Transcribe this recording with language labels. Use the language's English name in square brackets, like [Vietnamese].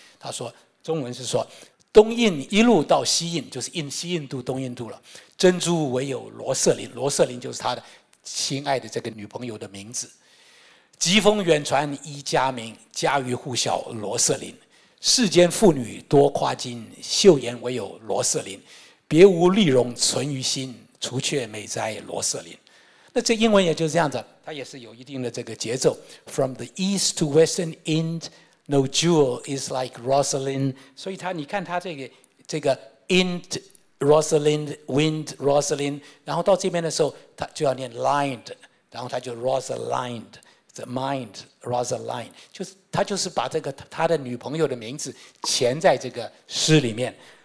[Chinese] 他说中文是说东印一路到西印，就是印西印度东印度了，珍珠唯有罗瑟琳，罗瑟琳就是他的亲爱的这个女朋友的名字，疾风远传一家名，家喻户晓罗瑟琳，世间妇女多夸金，秀颜唯有罗瑟琳，别无丽容存于心，除却美哉罗瑟琳。那这英文也就是这样子，它也是有一定的这个节奏。 [English] From the east to western end, no jewel is like Rosalind。 [Chinese] 所以它，你看它这个 [English] end Rosalind, wind Rosalind， [Chinese] 然后到这边的时候，它就要念 lined， 然后它就 [English] Rosalind， the mind Rosalind， [Chinese] 就是它就是把这个他的女朋友的名字潜在这个诗里面。